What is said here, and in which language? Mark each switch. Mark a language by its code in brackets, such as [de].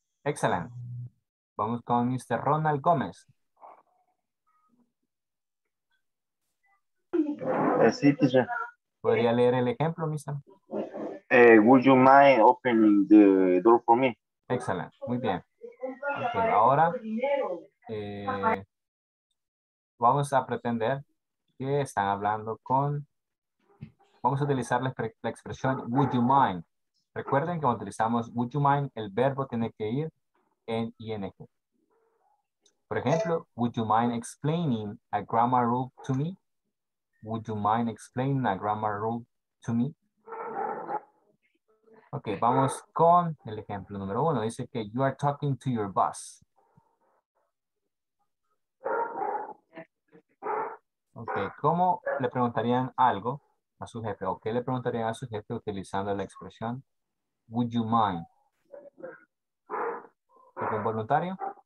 [es] Excellent. Vamos con Mr. Ronald Gómez. Sí, teacher. ¿Podría leer el ejemplo, Misa? [en] Would you mind opening the door for me? [es] Excellent. Muy bien. Okay, ahora vamos a pretender que están hablando con... Vamos a utilizar la expresión would you mind. Recuerden que cuando utilizamos would you mind, el verbo tiene que ir en ing. Por ejemplo, [en] would you mind explaining a grammar rule to me? Would you mind explaining a grammar rule to me? [es] Ok, vamos con el ejemplo número uno. Dice que [en] you are talking to your boss. [es] Ok, ¿cómo le preguntarían algo a su jefe? ¿O qué le preguntarían a su jefe utilizando la expresión would you mind? ¿Algún voluntario?